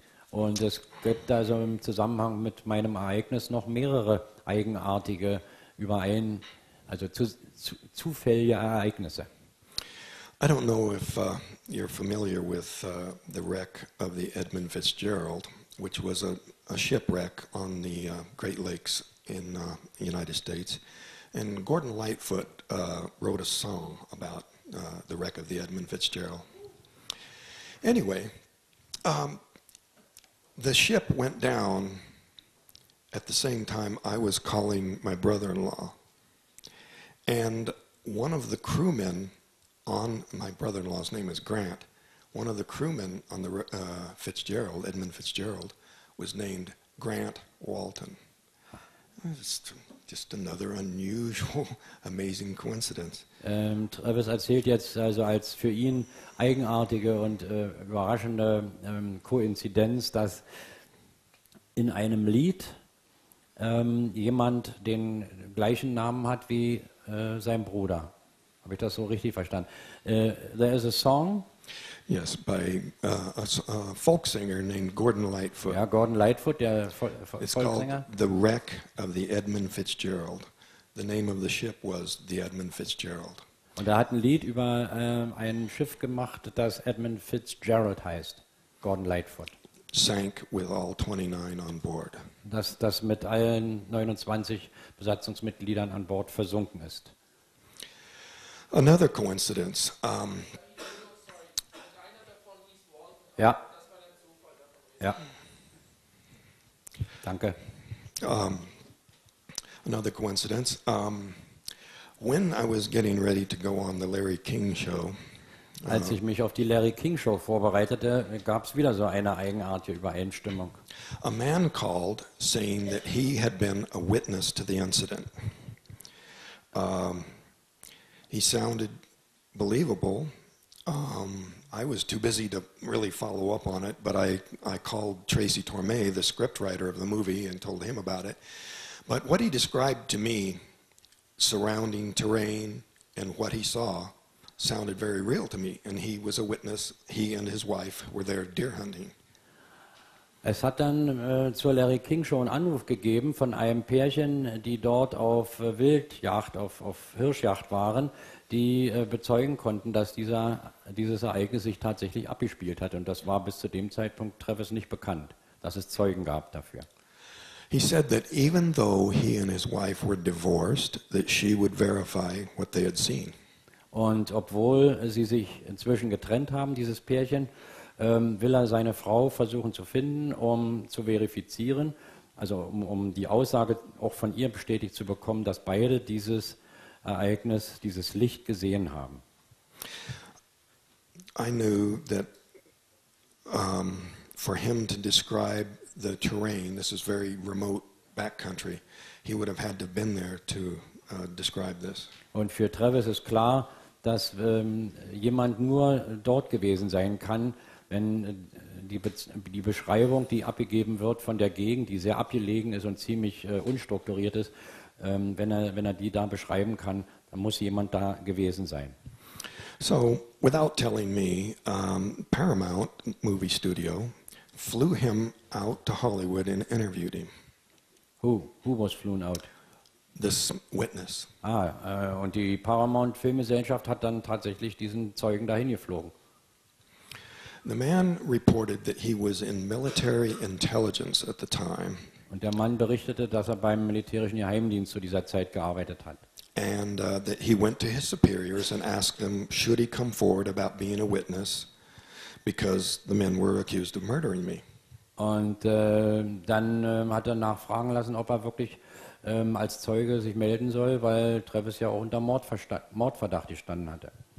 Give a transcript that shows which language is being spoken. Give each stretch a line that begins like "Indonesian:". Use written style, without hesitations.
German: Und es gibt also im Zusammenhang mit meinem Ereignis noch mehrere eigenartige zufällige Ereignisse.
English: I don't know if you're familiar with the wreck of the Edmund Fitzgerald, which was a shipwreck on the Great Lakes in the United States. And Gordon Lightfoot wrote a song about the wreck of the Edmund Fitzgerald. Anyway, the ship went down at the same time I was calling my brother-in-law, and one of the crewmen on, my brother-in-law's name is Grant, one of the crewmen on the Fitzgerald, Edmund Fitzgerald, was named Grant Walton. Just another unusual, amazing coincidence.
German: Travis erzählt jetzt also als für ihn eigenartige und überraschende Koinzidenz, dass in einem Lied jemand den gleichen Namen hat wie sein Bruder. Habe ich das so richtig verstanden?
English: There is a song. Yes, by a folk singer named Gordon Lightfoot.
German: Ja, Gordon Lightfoot, der Folksänger.
English: It's called The Wreck of the Edmund Fitzgerald. The name of the ship was the Edmund Fitzgerald.
German: Und er hat ein Lied über ein Schiff gemacht, das Edmund Fitzgerald heißt, Gordon Lightfoot.
English: Sank with all 29 on board.
German: Das mit allen 29 Besatzungsmitgliedern an Bord versunken ist.
English: Another coincidence.
German: Ja. Ja. Danke.
English: another coincidence. When I was getting ready to go on the Larry King show,
German: als ich mich auf die Larry King Show vorbereitete, gab es wieder so eine eigenartige Übereinstimmung.
English: A man called saying that he had been a witness to the incident. He sounded believable. I was too busy to really follow up on it, but I called Tracy Torme, the scriptwriter of the movie, and told him about it. But what he described to me, surrounding terrain and what he saw, sounded very real to me, and he was a witness. He and his wife were there deer hunting.
German: Es hat dann zur Larry King Show einen Anruf gegeben von einem Pärchen, die dort auf Wildjagd, auf Hirschjagd waren, die bezeugen konnten, dass dieses Ereignis sich tatsächlich abgespielt hat. Und das war bis zu dem Zeitpunkt Travis nicht bekannt, dass es Zeugen gab dafür.
English: He said that even though he and his wife were divorced, that she would verify what they had seen.
German: Und obwohl sie sich inzwischen getrennt haben, dieses Pärchen, will er seine Frau versuchen zu finden, um zu verifizieren, also um die Aussage auch von ihr bestätigt zu bekommen, dass beide dieses Ereignis, dieses Licht gesehen haben.
English: I knew that for him to describe the terrain, this is very remote backcountry, he would have had to been there to describe this.
German: Und für Travis ist klar, dass jemand nur dort gewesen sein kann, wenn die Beschreibung, die abgegeben wird von der Gegend, die sehr abgelegen ist und ziemlich unstrukturiert ist, wenn er die da beschreiben kann, dann muss jemand da gewesen sein.
English: So, without telling me, Paramount Movie Studio flew him out to Hollywood and interviewed him. Who was flown out? This witness.
German: Ah, und die Paramount Filmgesellschaft hat dann tatsächlich diesen Zeugen dahin geflogen.
English: The man reported that he was in military intelligence at the time.
German: Und der Mann berichtete, dass er beim militärischen Geheimdienst zu dieser Zeit gearbeitet hat.
English: And that he went to his superiors and asked them, should he come forward about being a witness, because the men were accused of murdering me.
German: Und dann hat er nachfragen lassen, ob er wirklich als Zeuge sich melden soll, weil Travis ja auch unter Mordverdacht gestanden hatte.